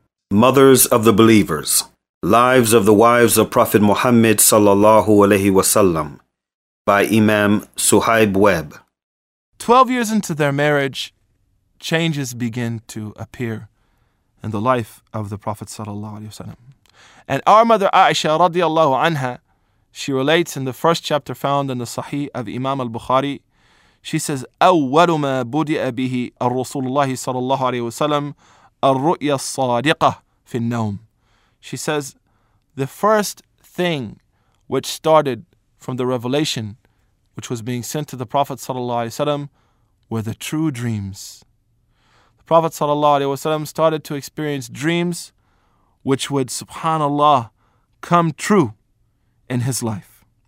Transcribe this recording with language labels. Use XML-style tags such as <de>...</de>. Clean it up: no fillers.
<en>Mothers of the Believers, Lives of the Wives of Prophet Muhammad sallallahu alaihi wasallam, by Imam Suhaib Webb. 12 years into their marriage, changes begin to appear in the life of the Prophet sallallahu alaihi wasallam. And our mother Aisha radiallahu anha, she relates in the first chapter found in the Sahih of Imam al-Bukhari. She says,</en> <ar>أول ما بدأ به الرسول الله صلى الله عليه وسلم الرؤيا الصادقة في النوم.</ar> <en>She says, the first thing which started from the revelation which was being sent to the Prophet صلى الله عليه وسلم were the true dreams. The Prophet صلى الله عليه وسلم started to experience dreams which would, subhanAllah, come true in his life.</en>